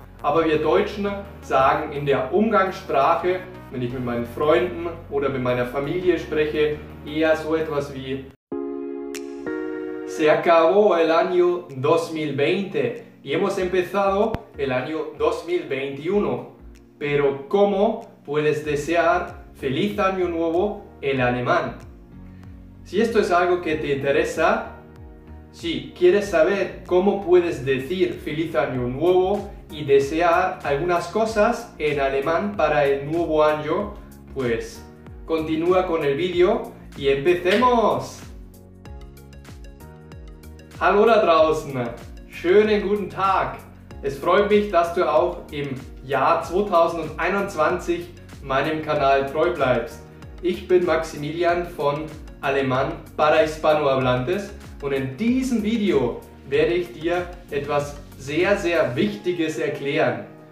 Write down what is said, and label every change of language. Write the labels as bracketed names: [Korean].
[German] Aber wir Deutschen sagen in der Umgangssprache, wenn ich mit meinen Freunden oder mit meiner Familie spreche, eher so etwas wie [Spanish] Se acabó el año 2020 y hemos empezado el año 2021. Pero ¿cómo puedes desear feliz año nuevo en alemán? Si esto es algo que te interesa, si quieres saber cómo puedes decir feliz año nuevo y desear algunas cosas en alemán para el nuevo año, pues continúa con el vídeo y empecemos. [German] Hallo da draußen, schönen guten Tag. Es freut mich, dass du auch im Jahr 2021 meinem Kanal treu bleibst. Ich bin Maximilian von Alemán para Hispanohablantes und in diesem Video werde ich dir etwas sehr, sehr Wichtiges erklären.